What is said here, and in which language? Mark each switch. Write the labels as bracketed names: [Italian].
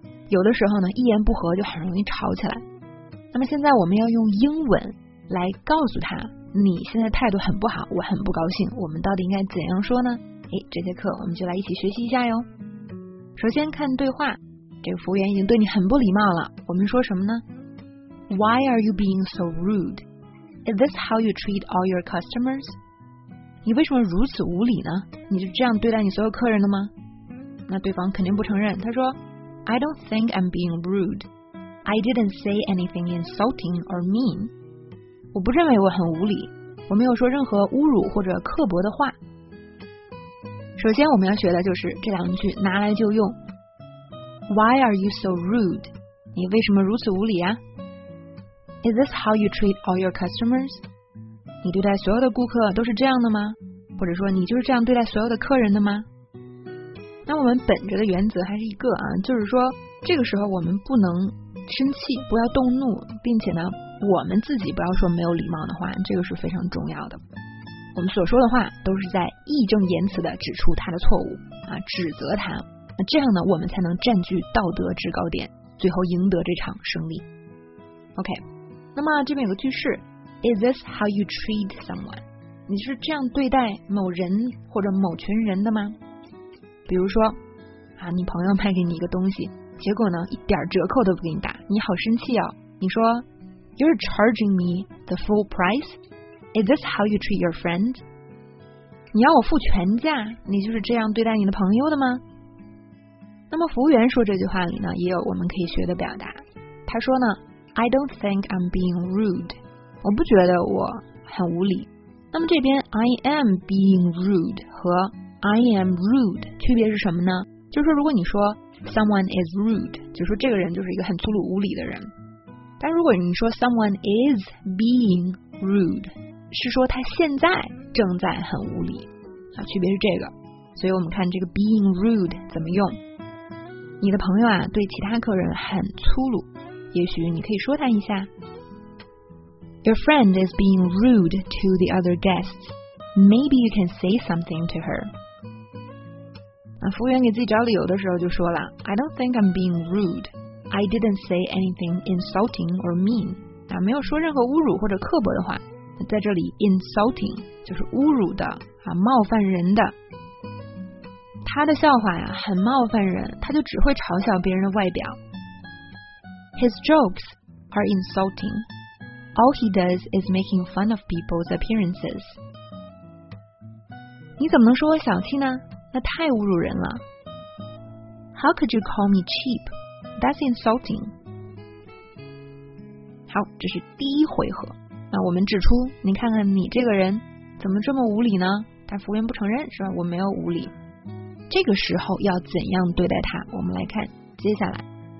[Chinese] 有的时候呢，一言不合就很容易吵起来。那么现在我们要用英文来告诉他，你现在态度很不好，我很不高兴，我们到底应该怎样说呢？哎，这节课我们就来一起学习一下哟。首先看对话，这个服务员已经对你很不礼貌了，我们说什么呢？ [English] Why are you being so rude? Is this how you treat all your customers? [Chinese] 你为什么如此无理呢？你是这样对待你所有客人的吗？那对方肯定不承认，他说 [English] I don't think I'm being rude. I didn't say anything insulting or mean. [Chinese] 我不认为我很无理，我没有说任何侮辱或者刻薄的话。首先我们要学的就是这两句拿来就用。 [English] Why are you so rude? [Chinese] 你为什么如此无理啊？ [English] Is this how you treat all your customers? [Chinese] 你对待所有的顾客都是这样的吗？或者说你就是这样对待所有的客人的吗？那我们本着的原则还是一个啊，就是说这个时候我们不能生气，不要动怒，并且呢我们自己不要说没有礼貌的话，这个是非常重要的。我们所说的话都是在义正言辞地指出他的错误啊，指责他，那这样呢我们才能占据道德制高点，最后赢得这场胜利。 OK， 那么这边有个句式， [English] Is this how you treat someone? [Chinese] 你是这样对待某人或者某群人的吗？比如说啊，你朋友卖给你一个东西，结果呢一点折扣都不给你打，你好生气哦。 [English] 你说 You're charging me the full priceIs this how you treat your friends? [Chinese] 你要我付全价，你就是这样对待你的朋友的吗？那么服务员说这句话里呢，也有我们可以学的表达。他说呢 [English] I don't think I'm being rude. [Chinese] 我不觉得我很无理。那么这边 [English] I am being rude [Chinese] 和 [English] I am rude [Chinese] 区别是什么呢？就是说如果你说 [English] someone is rude， [Chinese] 就是说这个人就是一个很粗鲁无礼的人。但如果你说 [English] someone is being rude， [Chinese] 是说他现在正在很无理啊，区别是这个。所以我们看这个 being rude 怎么用。你的朋友啊对其他客人很粗鲁，也许你可以说他一下 [English] Your friend is being rude to the other guests. Maybe you can say something to her. [Chinese] 那服务员给自己找理由的时候就说了 [English] I don't think I'm being rude. I didn't say anything insulting or mean. [Chinese] 啊，没有说任何侮辱或者刻薄的话。在这里 insulting 就是侮辱的啊，冒犯人的。他的笑话呀很冒犯人，他就只会嘲笑别人的外表。 [English] His jokes are insulting. All he does is making fun of people's appearances. [Chinese] 你怎么能说我小气呢？那太侮辱人了。 [English] How could you call me cheap? That's insulting. [Chinese] 好，这是第一回合。那我们指出，你看看你这个人怎么这么无理呢？但服务员不承认，是吧？我没有无理。这个时候要怎样对待他？我们来看接下来。